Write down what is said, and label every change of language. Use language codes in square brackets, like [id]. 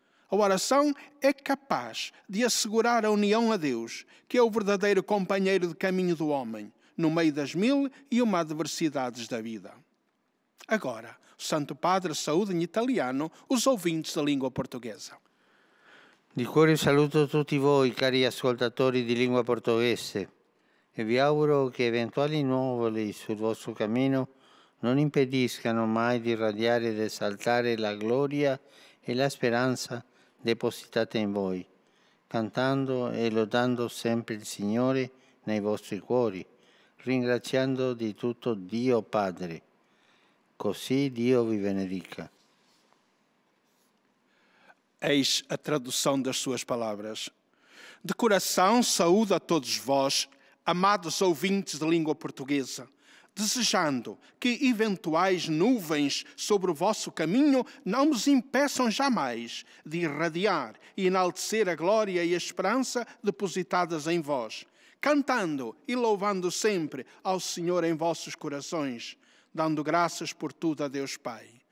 [pt] A oração é capaz de assegurar a união a Deus, que é o verdadeiro companheiro de caminho do homem, no meio das mil e uma adversidades da vida. Agora, o Santo Padre saúda em italiano os ouvintes da língua portuguesa. [it] Di cuore saluto tutti voi, cari ascoltatori di lingua portoghese, e vi auguro che eventuali nuvole sul vostro cammino non impediscano mai di radiare ed esaltare la gloria e la speranza depositate in voi, cantando e lodando sempre il Signore nei vostri cuori, ringraziando di tutto Dio Padre. Così Dio vi benedica. [pt] Eis a tradução das suas palavras. De coração saúdo a todos vós, amados ouvintes de língua portuguesa, desejando que eventuais nuvens sobre o vosso caminho não nos impeçam jamais de irradiar e enaltecer a glória e a esperança depositadas em vós, cantando e louvando sempre ao Senhor em vossos corações, dando graças por tudo a Deus Pai.